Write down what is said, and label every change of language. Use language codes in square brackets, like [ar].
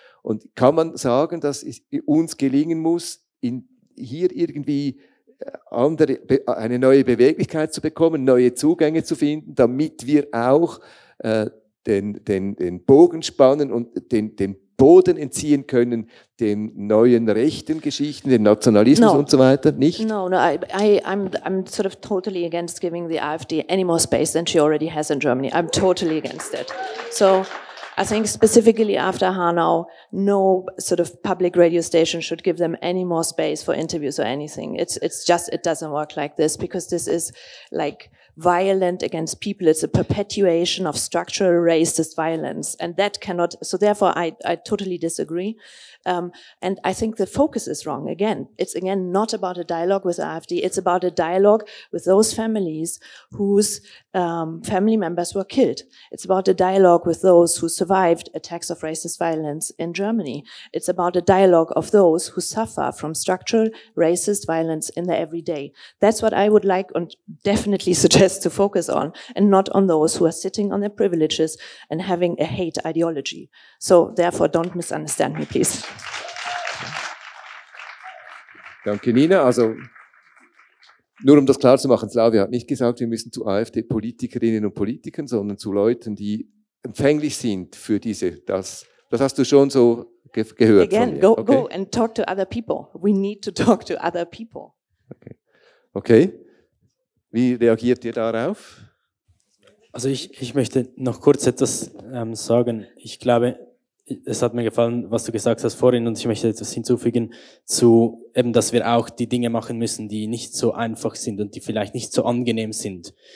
[de] Und kann man sagen, dass es uns gelingen muss, hier irgendwie eine neue Beweglichkeit zu bekommen, neue Zugänge zu finden, damit wir auch den Bogen spannen und den Boden entziehen können den neuen rechten Geschichten, den Nationalismus und so weiter, nicht? [en] I'm sort of totally against giving the AfD any more space than she already has in Germany. I'm totally against it. So I think specifically after Hanau, no sort of public radio station should give them any more space for interviews or anything. It's just, it doesn't work like this, because this is like violent against people. It's a perpetuation of structural racist violence, and that cannot. So therefore, I totally disagree. And I think the focus is wrong again. It's again not about a dialogue with AfD. It's about a dialogue with those families whose family members were killed. It's about a dialogue with those who survived attacks of racist violence in Germany. It's about a dialogue of those who suffer from structural racist violence in their everyday. That's what I would like and definitely suggest to focus on, and not on those who are sitting on their privileges and having a hate ideology. So therefore, don't misunderstand me, please. [de] Danke, Nina. Also, nur um das klarzumachen, Slavia hat nicht gesagt, wir müssen zu AfD-Politikerinnen und Politikern, sondern zu Leuten, die empfänglich sind für diese, das hast du schon so gehört. [en] Again, [de] von mir. [en] Go, okay? Go and talk to other people. We need to talk to other people. Okay. [de] Wie reagiert ihr darauf? Also, ich möchte noch kurz etwas sagen. Ich glaube, es hat mir gefallen, was du gesagt hast vorhin, und ich möchte etwas hinzufügen zu eben, dass wir auch die Dinge machen müssen, die nicht so einfach sind und die vielleicht nicht so angenehm sind.